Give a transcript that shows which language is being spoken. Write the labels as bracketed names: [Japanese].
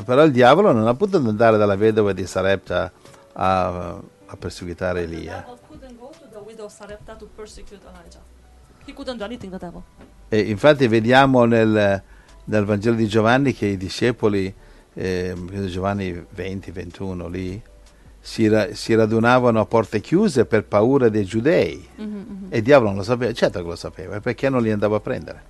[Italian] Però il diavolo non ha potuto andare dalla vedova di Sarepta a perseguitare Elia. [English] The devil couldn't go to the widow of Sarepta to persecute Elijah. He couldn't do anything, the devil. [Italian] E infatti vediamo nel Vangelo di Giovanni che i discepoli, Giovanni 20-21 lì, si radunavano a porte chiuse per paura dei giudei. Mm-hmm, mm-hmm. E il diavolo non lo sapeva, certo che lo sapeva, perché non li andava a prendere.